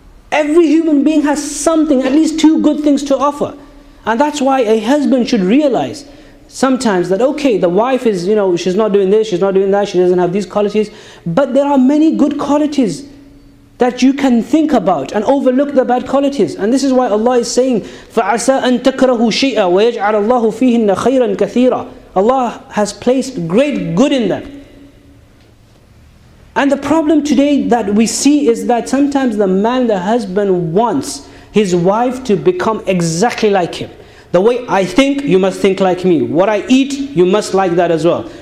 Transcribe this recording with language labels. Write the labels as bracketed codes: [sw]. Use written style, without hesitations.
[en] Every human being has something, at least 2 good things to offer. And that's why a husband should realize sometimes that, okay, the wife is, you know, she's not doing this, she's not doing that, she doesn't have these qualities. But there are many good qualities that you can think about and overlook the bad qualities. And this is why Allah is saying, [ar] فَعَسَىٰ أَن تَكْرَهُوا شَيْئًا وَيَجْعَلَ اللَّهُ فِيهِنَّ خَيْرًا كَثِيرًا. [en] Allah has placed great good in them. And the problem today that we see is that sometimes the man, the husband, wants his wife to become exactly like him. The way I think, you must think like me. What I eat, you must like that as well.